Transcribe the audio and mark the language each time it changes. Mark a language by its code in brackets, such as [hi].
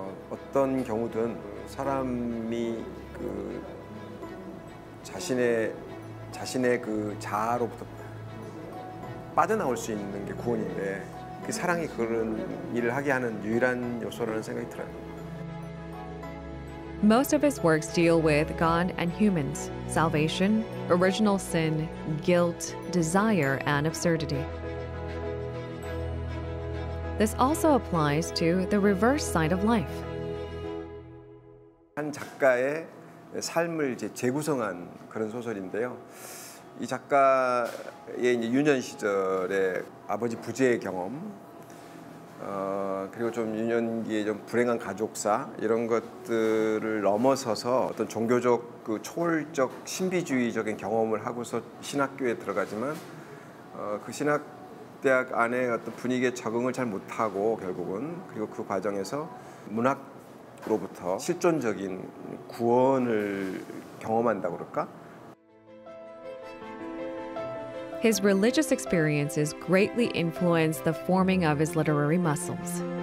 [ko] 어떤 경우든 사람이 그 자신의 그 자아로부터 빠져나올 수 있는 게 구원인데 그 사랑이 그런 일을 하게 하는 유일한 요소라는 생각이 들어요. [en] Most of his works deal with God and humans, salvation, original sin, guilt, desire, and absurdity. This also applies to the reverse side of life. [ko] 한 작가의 삶을 이제 재구성한 그런 소설인데요. 이 작가의 이제 유년 시절의 아버지 부재의 경험, 그리고 좀 유년기에 좀 불행한 가족사 이런 것들을 넘어서서 어떤 종교적 그 초월적 신비주의적인 경험을 하고서 신학교에 들어가지만 그 신학대학 안에 어떤 분위기에 적응을 잘 못하고 결국은 그리고 그 과정에서 문학으로부터 실존적인 구원을 경험한다고 그럴까? [en] His religious experiences greatly influenced the forming of his literary muscles.